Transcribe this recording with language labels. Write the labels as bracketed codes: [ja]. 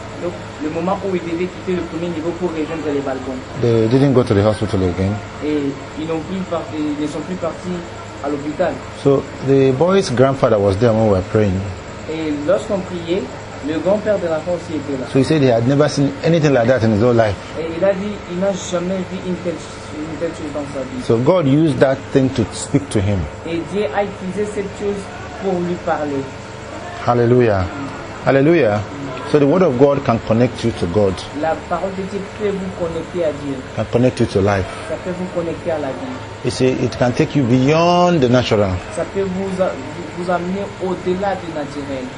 [fr] Donc le moment où il devait quitter le premier niveau pour rejoindre les balcons. [en] They didn't go to the hospital again. [fr] Et ils ne sont plus partis à l'hôpital. [en] So the boy's grandfather was there when we were praying. [fr] Et lorsqu'on priait, le grand-père de l'enfant aussi était là. [en] So he said he had never seen anything like that in his whole life. [fr] Et il a dit il n'a jamais vu une telle chose dans sa vie. [en] So God used that thing to speak to him. [fr] Et Dieu a utilisé cette chose pour lui parler. [en] Hallelujah. Hallelujah. So the word of God can connect you to God. [fr] La parole de Dieu peut vous connecter à Dieu. [en] Can connect you to life. [fr] Ça peut vous connecter à la vie. [en] You see, it can take you beyond the natural. [fr] Ça peut vous amener au-delà du naturel.